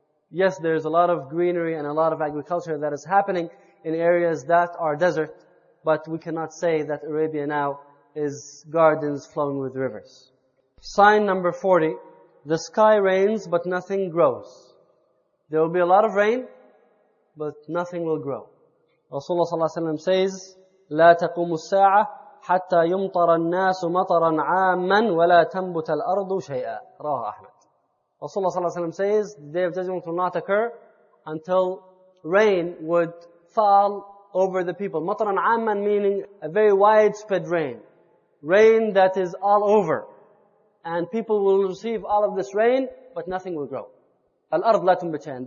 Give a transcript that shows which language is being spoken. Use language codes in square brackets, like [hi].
[en] Yes, there's a lot of greenery and a lot of agriculture that is happening in areas that are desert, but we cannot say that Arabia now is gardens flowing with rivers. Sign number 40, the sky rains but nothing grows. There will be a lot of rain, but nothing will grow. Rasulullah sallallahu alaihi wasallam says, [ar] لا تقوم الساعة حتى يمطر الناس مطرا عاما ولا تنبت الأرض شيئا. رواه أحمد. [en] Rasulullah ﷺ says, the Day of Judgment will not occur until rain would fall over the people. Mataran amman meaning a very widespread rain. Rain that is all over. And people will receive all of this rain, but nothing will grow. [ar] Al-ard la tumbachan.